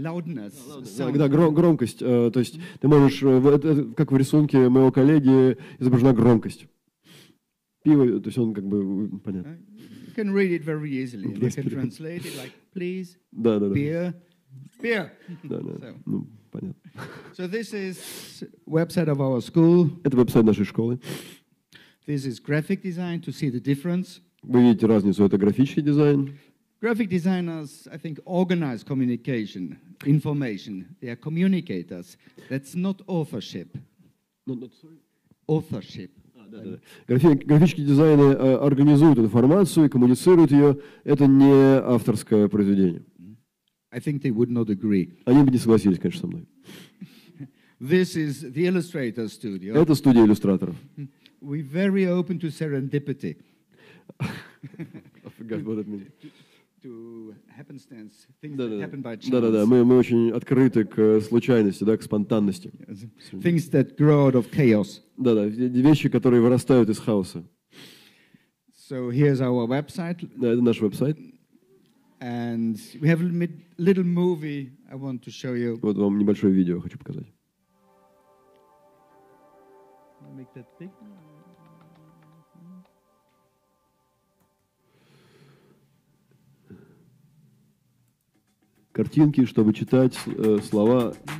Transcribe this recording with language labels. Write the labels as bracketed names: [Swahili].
[Russian] Громкость, то есть, ты можешь, как в рисунке моего коллеги, изображена громкость. Пиво, то есть он как бы понятно. [English] You can read it very easily. You can translate it like please. [Russian] Да, да, да. [English] Beer. [Russian] Да, да. So. Ну, понятно. [English] So this is website of our school. [Russian] Это веб-сайт нашей школы. [English] This is graphic design to see the difference. [Russian] Вы видите разницу, это графический дизайн. [English] Graphic designers, I think, organize communication, information. They are communicators. That's not authorship. Authorship. [Russian] Графические дизайны организуют информацию и коммуницируют ее. Это не авторское произведение. [English] I think they would not agree. [Russian] Они бы не согласились, конечно, со мной. [English] This is the illustrator studio. [Russian] Это студия иллюстраторов. [English] We're very open to serendipity. I forgot what it means. To happenstance, things that happen by chance. [Russian] Да-да-да, мы очень открыты к случайности, да, к спонтанности. [English] Things that grow out of chaos. [Russian] Да-да, вещи, которые вырастают из хаоса. [English] So here's our website. [Russian] Да, это наш веб-сайт. [English] And we have a little movie I want to show you. [Russian] Вот вам небольшое видео хочу показать. [English] Make that big. [Russian] Картинки, чтобы читать слова.